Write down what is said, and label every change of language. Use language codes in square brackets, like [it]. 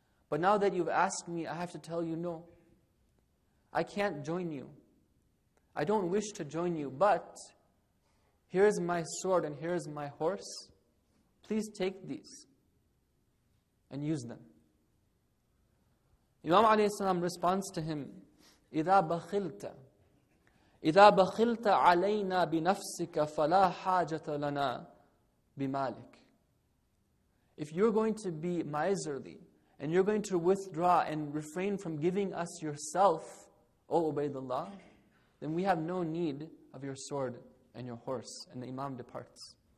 [en] But now that you've asked me, I have to tell you no. I can't join you. I don't wish to join you, but here is my sword and here is my horse. Please take these and use them. Imam alayhi salam responds to him, [ar] إِذَا بَخِلْتَ عَلَيْنَا بِنَفْسِكَ فَلَا حَاجَةَ لَنَا بِمَالِكَ. [en] If you're going to be miserly and you're going to withdraw and refrain from giving us yourself, O Ubaydullah, then we have no need of your sword and your horse. And the Imam departs.